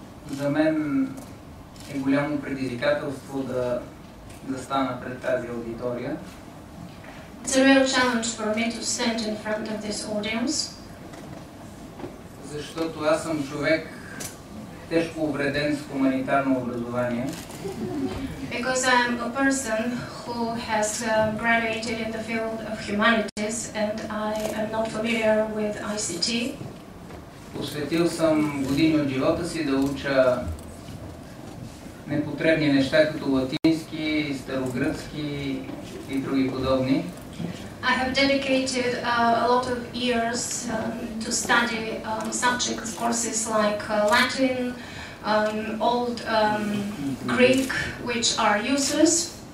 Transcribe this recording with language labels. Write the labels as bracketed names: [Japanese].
[Bulgarian] За мен е голямо предизвикателство да стана пред тази аудитория. [English] It's a real challenge for me to stand in front of this audience. [Bulgarian] Защото аз съм човек тежко увреден с хуманитарно образование. [English] Because I am a person who has graduated in the field of humanities and I am not familiar with ICT. [Bulgarian] Посветил съм години от живота си да уча непотребни неща като латински, старогръцки и други подобни. [English] I have dedicated a lot of years to study subjects, courses like Latin, old Greek, which are useless.